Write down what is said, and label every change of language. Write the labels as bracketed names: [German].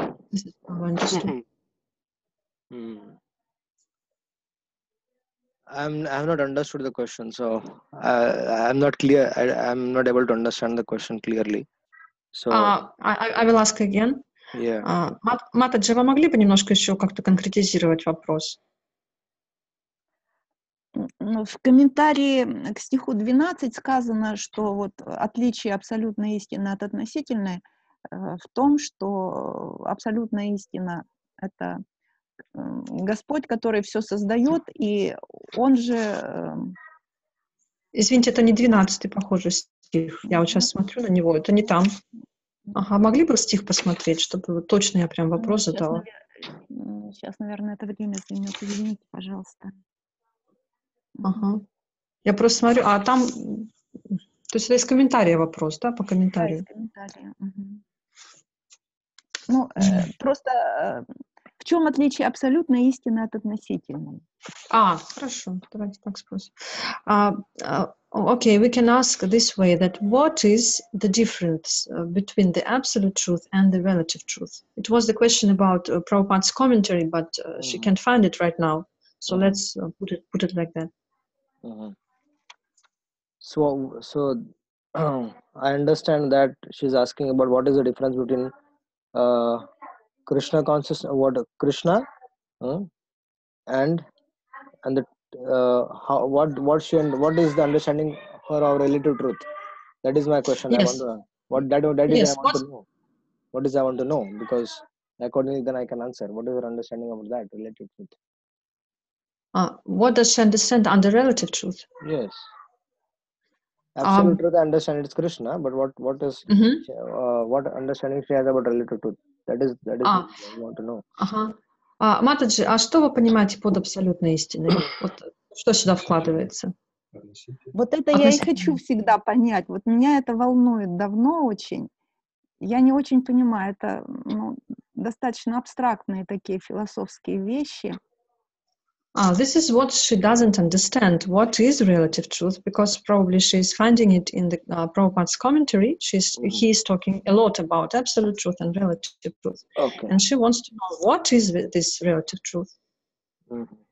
[English] This is how I understood. I have not understood the question, so I'm not clear. I'm not able to understand the question clearly. So I will ask again. Yeah. [Russian] Матаджи, вы могли бы немножко еще как-то конкретизировать вопрос? В комментарии к стиху 12 сказано, что вот отличие абсолютной истины от относительной в том, что абсолютная истина — это Господь, который все создает, и Он же... Извините, это не 12-й, похоже, стих. Я вот сейчас смотрю на него, это не там. Ага, могли бы стих посмотреть, чтобы точно я прям вопрос задала? Сейчас, наверное, это время займет. Извините, пожалуйста. Ага. Я просто смотрю, а там... То есть это из комментария вопрос, да, по комментарию? Да, из комментария. Угу. Ну, просто в чем отличие абсолютной истины от относительной? А, хорошо, давайте так спросим. [English] Okay, we can ask this way, that what is the difference between the absolute truth and the relative truth? It was the question about Prabhupada's commentary, but she can't find it right now. So let's put it like that. So I understand that she's asking about what is the difference between Krishna consciousness, what Krishna and the what is the understanding for our relative truth? That is my question. Yes. I want to know, because accordingly then I can answer what is your understanding of that relative truth. What does she understand under relative truth? Yes. Absolute truth, I understand it's Krishna, but what is what understanding she has about relative truth? That is what I want to know. Uh-huh. [Russian] Матаджи, а что вы понимаете под абсолютной истиной? Вот, что сюда вкладывается? Вот это я и хочу всегда понять. Вот меня это волнует давно очень. Я не очень понимаю. Это достаточно абстрактные такие философские вещи. [English] This is what she doesn't understand. What is relative truth? Because probably she is finding it in the Prabhupada's commentary. He is talking a lot about absolute truth and relative truth. Okay. And she wants to know what is this relative truth. Mm-hmm.